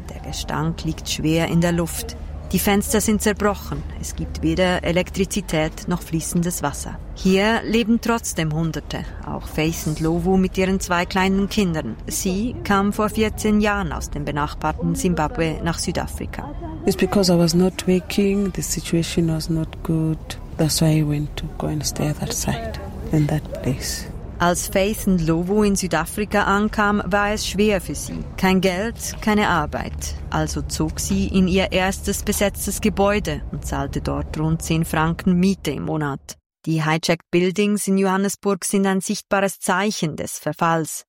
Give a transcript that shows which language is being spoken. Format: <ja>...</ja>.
<de>Der Gestank liegt schwer in der Luft. Die Fenster sind zerbrochen. Es gibt weder Elektrizität noch fließendes Wasser. Hier leben trotzdem Hunderte. Auch Faith und Lovu mit ihren zwei kleinen Kindern. Sie kam vor 14 Jahren aus dem benachbarten Zimbabwe nach Südafrika.</de> <en>It's because I was not working. The situation was not good. That's why I went to go and stay at that side. In that place.</en> <de>Als Faith Ndlovu in Südafrika ankam, war es schwer für sie. Kein Geld, keine Arbeit. Also zog sie in ihr erstes besetztes Gebäude und zahlte dort rund 10 Franken Miete im Monat. Die Hijacked Buildings in Johannesburg sind ein sichtbares Zeichen des Verfalls.</de>